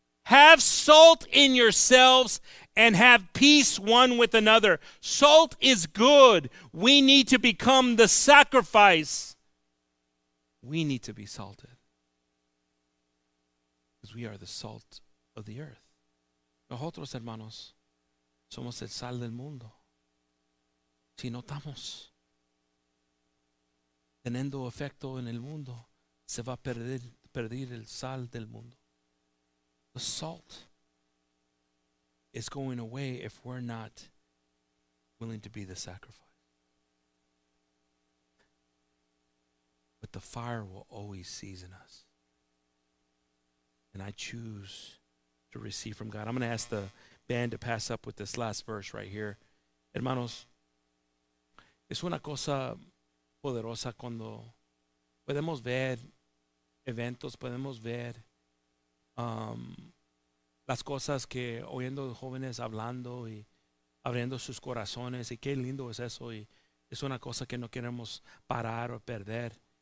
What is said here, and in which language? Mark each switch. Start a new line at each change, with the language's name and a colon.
English: Have salt in yourselves and have peace one with another. Salt is good. We need to become the sacrifice. We need to be salted. Because we are the salt of the earth.
Spanish: Nosotros, hermanos, somos el sal del mundo. Si no estamos teniendo efecto en el mundo, se va a perder el sal del mundo.
English: The salt is going away if we're not willing to be the sacrifice. But the fire will always season us. And I choose to receive from God. I'm going to ask the band to pass up with this last verse right here.
Spanish: Hermanos, es una cosa poderosa cuando podemos ver eventos, podemos ver las cosas que oyendo jóvenes hablando y abriendo sus corazones, y qué lindo es eso, y es una cosa que no queremos parar o perder.